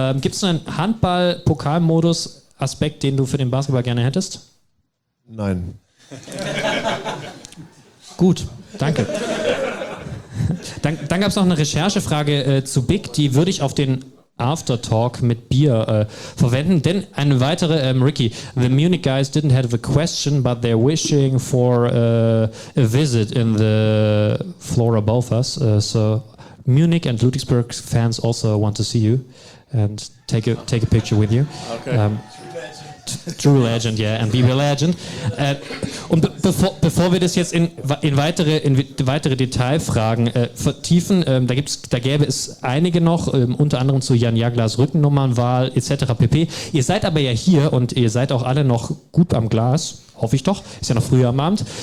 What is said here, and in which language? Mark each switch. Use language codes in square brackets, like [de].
[de] Gibt es einen Handball-Pokalmodus-Aspekt, den du für den Basketball gerne hättest? Nein. Gut, danke. Dann gab es noch eine Recherchefrage zu Big, die würde ich auf den Aftertalk mit Bier verwenden. Denn eine weitere, [en] Ricky, the Munich guys didn't have a question, but they're wishing for a visit in the floor above us. So Munich and Ludwigsburg fans also want to see you and take a picture with you. Okay. True legend, yeah, and be a legend. [de] Und bevor wir das jetzt in weitere Detailfragen vertiefen, da gäbe es einige noch, unter anderem zu Jan Jaglas Rückennummernwahl etc. pp. Ihr seid aber ja hier und ihr seid auch alle noch gut am Glas, hoffe ich doch, ist ja noch früher am Abend.